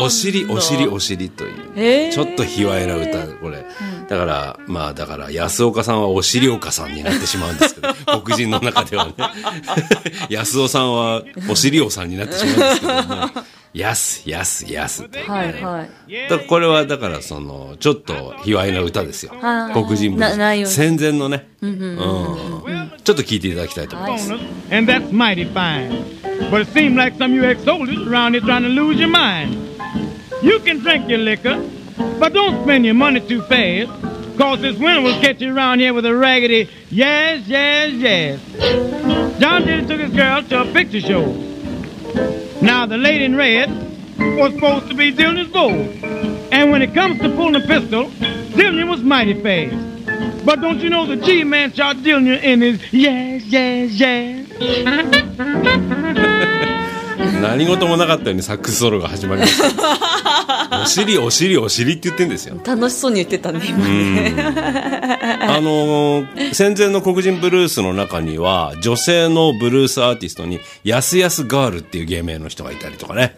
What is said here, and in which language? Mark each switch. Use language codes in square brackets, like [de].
[ja] お尻お尻お尻という、ちょっと卑猥な歌これ、うん、だからまあだから安岡さんはお尻岡さんになってしまうんですけど黒人の中ではね安尾さんはお尻尾さんになってしまうんですけどねヤスヤスヤスと、はいはい、だこれはだからそのちょっと卑猥な歌ですよ、黒人物です戦前のね、うんうんうんうん、ちょっと聞いていただきたいと思います、はい、 [en] And that's mighty fine But it seems like some of you ex-soldiers around here trying to lose your mind You can drink your liquor But don't spend your money too fast Cause this winter will catch you around here with a raggedy Yes, yes, yes John Diddy took his girl to a picture showNow the lady in red was supposed to be Dillon's beau. And when it comes to pulling a pistol, Dillon was mighty fast. But don't you know the G-man shot Dillon in his yes, yes, yes. [ja] 何事もなかったようにサックスソロが始まりました。お尻お尻お尻って言ってるんですよ。楽しそうに言ってたね今ね。戦前の黒人ブルースの中には女性のブルースアーティストにヤスヤスガールっていう芸名の人がいたりとかね。